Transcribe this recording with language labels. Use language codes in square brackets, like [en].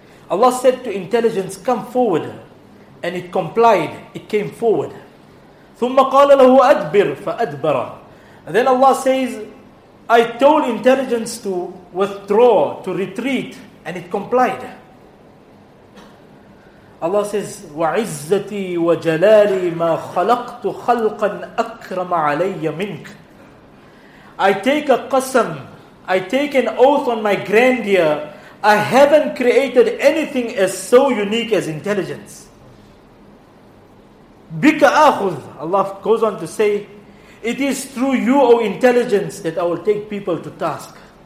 [en] Allah said to intelligence, come forward. And it complied, it came forward. [ar] ثُمَّ قَالَ لَهُ أَدْبِرْ فَأَدْبَرَ. [en] Then Allah says, I told intelligence to withdraw, to retreat, and it complied. Allah says, [ar] وَعِزَّتِي وَجَلَالِي مَا خَلَقْتُ خَلْقًا أَكْرَمَ عَلَيَّ مِنْكَ. [en] I take a qasam, I take an oath on my grandeur, I haven't created anything as so unique as intelligence. Bika akhudh, Allah goes on to say, it is through you, O intelligence, that I will take people to task.